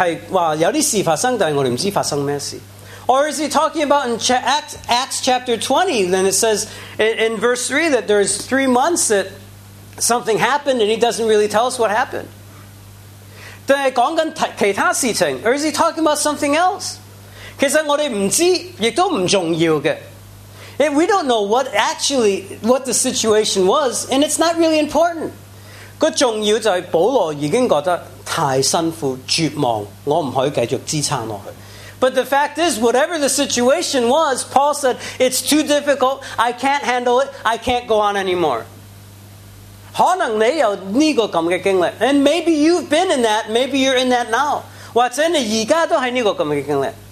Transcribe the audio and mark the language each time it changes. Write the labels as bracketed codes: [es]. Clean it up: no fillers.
[zh] 是不是讲过那件事，但是讲到20章里面是有一些三个月是说有些事发生，但是我们不知道发生什么事。 [en] Or is he talking about in Acts chapter 20, then it says in verse 3 that there's 3 months that something happened and he doesn't really tell us what happened. [zh] 但是讲其他事情, [en] or is he talking about something else? [zh] 其实我们不知道，也都不重要的。 [en] And we don't know what the situation was, and it's not really important. [zh] 重要就是保罗已经觉得太辛苦，绝望，我不可以继续支撑下去。 [en] But the fact is, whatever the situation was, Paul said, it's too difficult, I can't handle it, I can't go on anymore. [zh] 可能你有这个经历, [en] and maybe you've been in that, maybe you're in that now. [zh] 或者你现在都是这个经历。